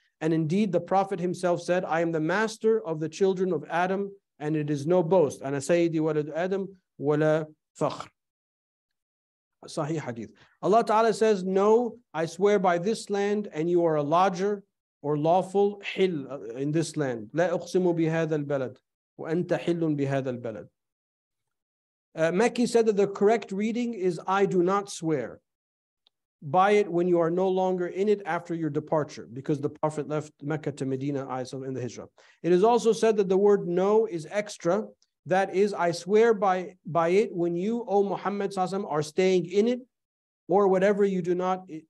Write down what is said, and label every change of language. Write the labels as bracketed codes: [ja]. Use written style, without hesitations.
[en] And indeed, the Prophet himself said, I am the master of the children of Adam, and it is no boast. [ar] Ana sayyidi walad Adam, wala fakhr. Sahih hadith. [en] Allah Ta'ala says, no, I swear by this land, and you are a lodger, or lawful hill in this land. [ar] لا أقسم بهذا البلد وأنت حل بهذا البلد. [en] Mekki said that the correct reading is I do not swear by it when you are no longer in it after your departure, because the Prophet left Mecca to Medina in the Hijrah. It is also said that the word no is extra, that is, I swear by it when you, O Muhammad Sassam, are staying in it, or whatever you do not.